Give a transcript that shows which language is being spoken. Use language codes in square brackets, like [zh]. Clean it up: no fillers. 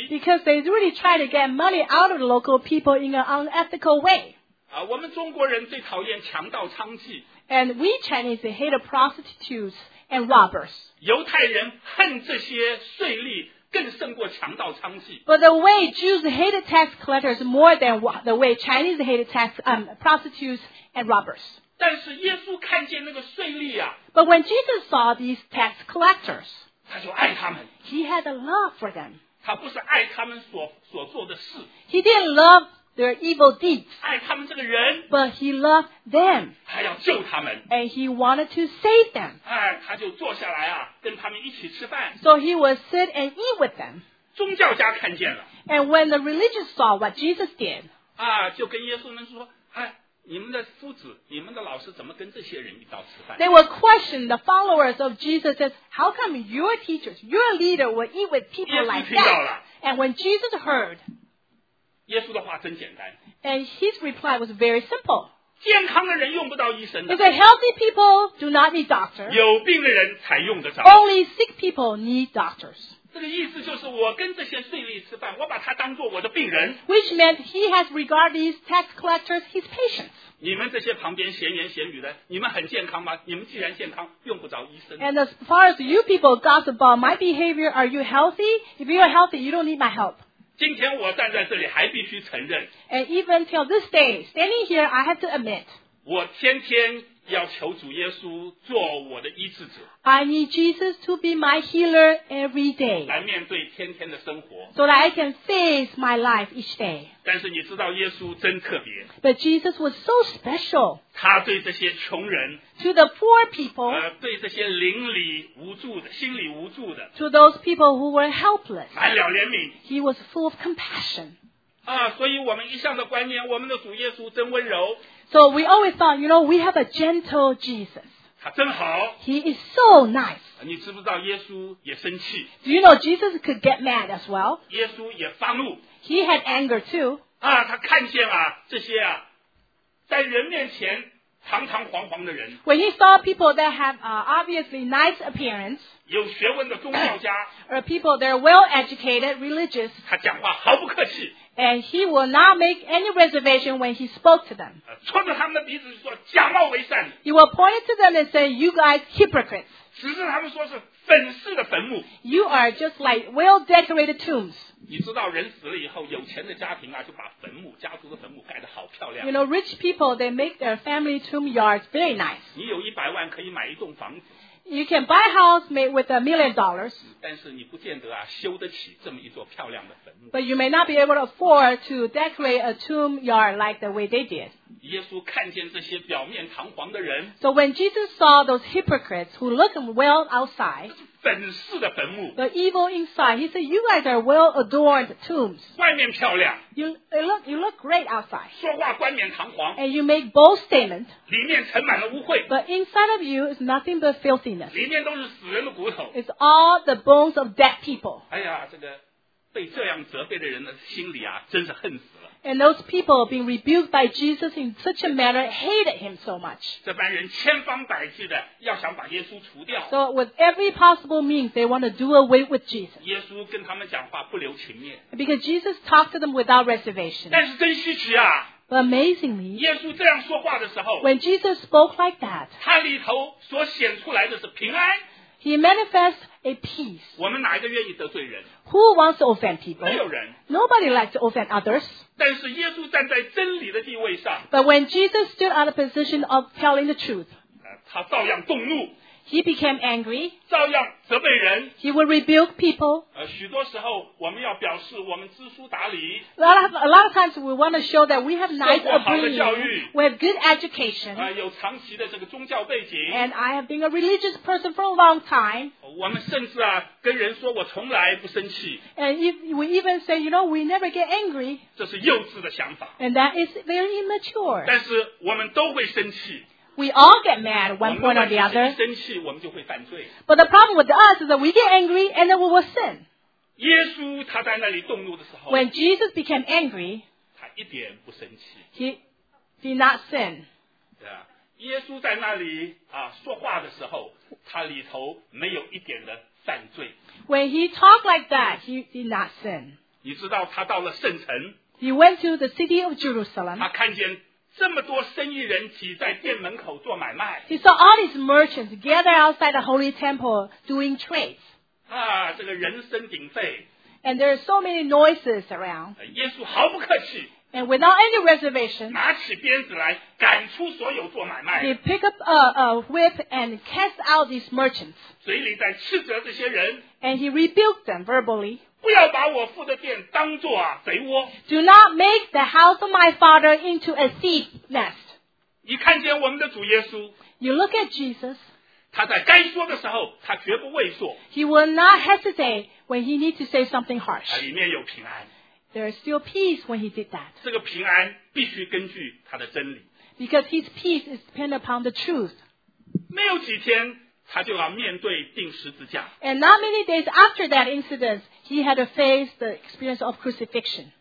[en] Because they really try to get money out of the local people in an unethical way. [zh] 我们中国人最讨厌强盗娼妓。 [en] And we Chinese hate prostitutes and robbers. [zh] 犹太人恨这些税吏。更胜过强盗娼妓。 [en] But the way Jews hated tax collectors more than the way Chinese hated prostitutes and robbers. [zh] 但是耶稣看见那个税吏啊。 [en] But when Jesus saw these tax collectors, [zh] 他就爱他们。 [en] He had a love for them. [zh] 他不是爱他们所做的事。 [en] He didn't love their evil deeds. [zh] 爱他们这个人。 [en] But he loved them. [zh] 他要救他们。 [en] And he wanted to save them. [zh] 哎，他就坐下来啊，跟他们一起吃饭。 [en] So he would sit and eat with them. [zh] 宗教家看见了。 [en] And when the religious saw what Jesus did, [zh] 啊，就跟耶稣们说，哎。你们的夫子你们的老师怎么跟这些人一道吃饭 [en] They will question the followers of Jesus says, How come your teachers, your leader will eat with people like that? [zh] 耶稣听到了 [en] And when Jesus heard [zh] 耶稣的话真简单 [en] And his reply was very simple [zh] 健康的人用不到医生的 [en] He said healthy people do not need doctors [zh] 有病的人才用得着 [en] Only sick people need doctors [zh] 这个意思就是我跟这些税吏吃饭我把他当作我的病人 [en] Which meant he has regarded these tax collectors his patients [zh] 你们这些旁边闲言闲语的你们很健康吗你们既然健康用不着医生 [en] And as far as you people gossip about my behavior Are you healthy? If you are healthy, you don't need my help [zh] 今天我站在这里还必须承认 [en] And even till this day Standing here, I have to admit [zh] 我天天要求主耶稣做我的医治者 [en] I need Jesus to be my healer every day [zh] 来面对天天的生活 [en] So that I can face my life each day [zh] 但是你知道耶稣真特别 [en] But Jesus was so special [zh] 他对这些穷人 [en] To the poor people [zh] 对这些灵里无助的心里无助的 [en] To those people who were helpless [zh] 满了怜悯 [en] He was full of compassion [zh] 啊，所以我们一向的观念我们的主耶稣真温柔 [en] So we always thought, you know, we have a gentle Jesus. [zh] 他真好。 [en] He is so nice. [zh] 你知不知道耶稣也生气。 [en] Do you know Jesus could get mad as well? [zh] 耶稣也发怒。 [en] He had anger too. [zh] 啊，他看见啊，这些啊，在人面前堂堂皇皇的人。 [en] When he saw people that have obviously nice appearance, [zh] 有学问的宗教家。 [en] Or people that are well-educated, religious. [zh] 他讲话毫不客气。 [en] And he will not make any reservation when he spoke to them. [zh] 戳着他们的鼻子说假冒为善。 [en] He will point to them and say, you guys hypocrites. [zh] 指着他们说是粉饰的坟墓。 [en] You are just like well-decorated tombs. [zh] 你知道人死了以后有钱的家庭啊就把坟墓家族的坟墓盖得好漂亮。 [en] You know, rich people, they make their family tomb yards very nice. [zh] 你有100万可以买一栋房子。 [en] You can buy a house made with $1 million. [zh] 但是你不见得啊，修得起这么一座漂亮的坟墓。 [en] But you may not be able to afford to decorate a tomb yard like the way they did. [zh] 耶稣看见这些表面堂皇的人。 [en] So when Jesus saw those hypocrites who look well outside, [zh] 粉饰的坟墓。 [en] The evil inside, he said, you guys are well adorned tombs. [zh] 外面漂亮。 [en] You look great outside. [zh] 说话冠冕堂皇。 [en] And you make bold statement. [zh] 里面盛满了污秽。 [en] But inside of you is nothing but filthiness. [zh] 里面都是死人的骨头。 [en] It's all the bones of dead people. [zh] 哎呀，这个被这样责备的人的心里啊，真是恨死了。 [en] And those people being rebuked by Jesus in such a manner hated him so much. [zh] 这帮人千方百计的要想把耶稣除掉。 [en] So with every possible means, they want to do away with Jesus. [zh] 耶稣跟他们讲话不留情面。 [en] Because Jesus talked to them without reservation. [zh] 但是真稀奇啊。 [en] But amazingly, [zh] 耶稣这样说话的时候。 [en] When Jesus spoke like that, [zh] 他里头所显出来的是平安。 [en] He manifests a peace. [zh] 我们哪一个愿意得罪人？ [en] Who wants to offend people? [zh] 没有人。 [en] Nobody likes to offend others. [zh] 但是耶稣站在真理的地位上。 [en] But when Jesus stood on the position of telling the truth, [zh] 他照样动怒。 [en] He became angry. [zh] 照样责备人。 [en] He would rebuke people. [zh] 许多时候我们要表示我们知书达理。 [en] A lot of times we want to show that we have nice upbringing. [zh] 受过好的教育。 [en] We have good education. [zh] 有长期的这个宗教背景。 [en] And I have been a religious person for a long time. [zh] 我们甚至啊跟人说我从来不生气。 [en] And we even say, you know, we never get angry. [zh] 这是幼稚的想法。 [en] And that is very immature. [zh] 但是我们都会生气。 [en] We all get mad one point or the other. [zh] 生气我们就会犯罪。 [en] But the problem with us is that we get angry and then we will sin. [zh] 耶稣他在那里动怒的时候。 [en] When Jesus became angry, [zh] 他一点不生气。 [en] He did not sin. [zh] 对啊，耶稣在那里啊说话的时候，他里头没有一点的犯罪。 [en] When he talked like that, he did not sin. [zh] 你知道他到了圣城。 [en] He went to the city of Jerusalem. [zh] 他看见。这么多生意人挤在店门口做买卖。 [en] He saw all these merchants gather outside the holy temple doing trades. [zh] 啊，这个人声鼎沸。 [en] And there are so many noises around. [zh] 耶稣毫不客气。 [en] And without any reservation, [zh] 拿起鞭子来, 赶出所有做买卖, [en] he picked up a whip and cast out these merchants. [zh] 嘴里在斥责这些人, [en] and he rebuked them verbally. [zh] 不要把我父的殿当作啊, [en] do not make the house of my father into a thief nest. [zh] 你看见我们的主耶稣, [en] you look at Jesus. [zh] 他在该说的时候, [en] he will not hesitate when he needs to say something harsh. [zh] 里面有平安, [en] there is still peace when he did that. [zh] 这个平安必须根据他的真理, [en] because his peace is dependent upon the truth. [zh] 没有几天, 他就要面对钉十字架, [en] and not many days after that incident, he had to face the experience of crucifixion.